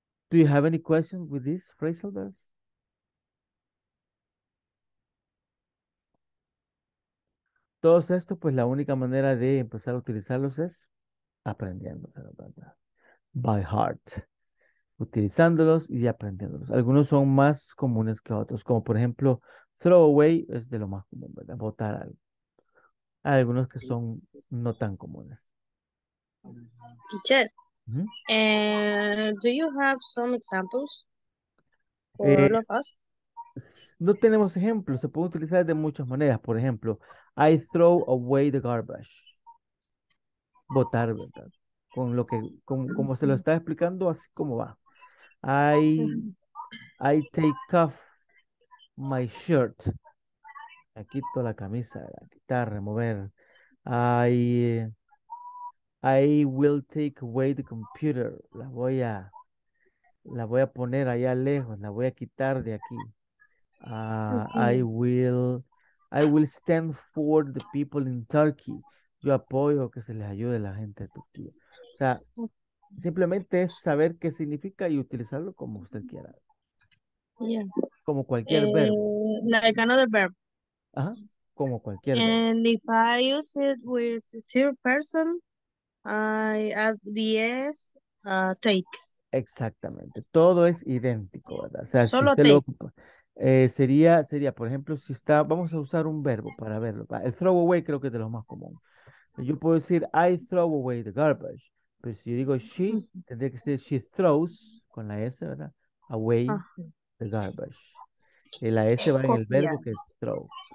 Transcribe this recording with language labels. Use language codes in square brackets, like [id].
[en] Do you have any questions with this phrasal verbs? [es] Todo esto, pues la única manera de empezar a utilizarlos es aprendiéndolos, ¿verdad? [en] By heart. [es] Utilizándolos y aprendiéndolos. Algunos son más comunes que otros, como por ejemplo, throw away es de lo más común, ¿verdad? Botar algo. Hay algunos que son no tan comunes. [en] Teacher, do you have some examples for all of us? [es] No tenemos ejemplos, se puede utilizar de muchas maneras. Por ejemplo, [en] I throw away the garbage. [es] Botar, ¿verdad? Con lo que, como se lo está explicando, así como va. [en] I take off my shirt. [es] Me quito la camisa, ¿verdad? Quitar, remover. [en] I will take away the computer. [es] La voy a poner allá lejos, la voy a quitar de aquí. [en] I will stand for the people in Turkey. [es] Yo apoyo que se les ayude a la gente de Turquía. O sea, simplemente es saber qué significa y utilizarlo como usted quiera. [en] Yeah. [es] Como cualquier verbo. [en] Like another verb. [es] Ajá. Como cualquier [en] And And if I use it with third person, I add the S, take. [es] Exactamente. Todo es idéntico, ¿verdad? O sea, solo si usted take. Lo ocupa. Sería, por ejemplo, si está, vamos a usar un verbo para verlo. El throw away creo que es de los más comunes. Yo puedo decir, [en] I throw away the garbage. [es] Pero si yo digo she, tendría que ser she throws, con la S, ¿verdad? [en] Away the garbage. [es] Y la S va en el verbo que es throw.